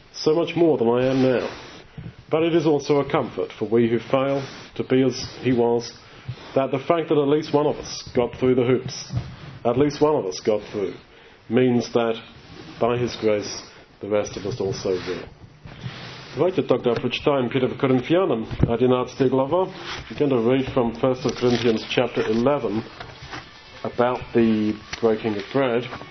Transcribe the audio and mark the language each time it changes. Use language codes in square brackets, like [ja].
[en] so much more than I am now. But it is also a comfort for we who fail to be as he was, that the fact that at least one of us got through the hoops, at least one of us got through, means that by his grace the rest of us also will. [ru] Давайте тогда прочитаем 1 Коринфянам 11 глава. [en] We're going to read from 1 Corinthians chapter 11 about the breaking of bread.